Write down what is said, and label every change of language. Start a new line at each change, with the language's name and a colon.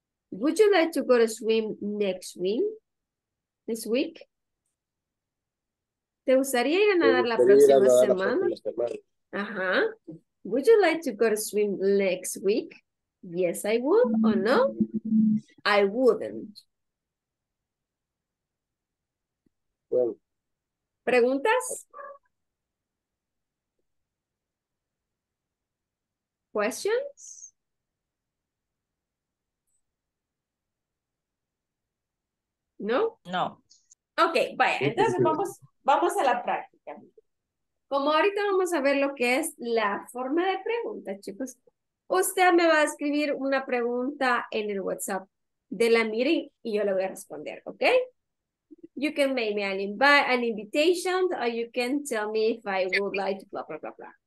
English: Would you like to go to swim next week? This week?
Spanish: ¿Te gustaría ir a nadar la próxima semana? Ajá.
English: Would you like to go to swim next week? Yes, I would, or no? I wouldn't. Well,
Spanish: ¿preguntas?
English: Questions? No? No.
Spanish: Okay, vaya, entonces vamos a la práctica. Como ahorita vamos a ver lo que es la forma de pregunta, chicos. Usted me va a escribir una pregunta en el WhatsApp de la meeting y yo le voy a responder, ¿ok?
English: You can make me an invite, an invitation, or you can tell me if I would like to blah, blah, blah, blah.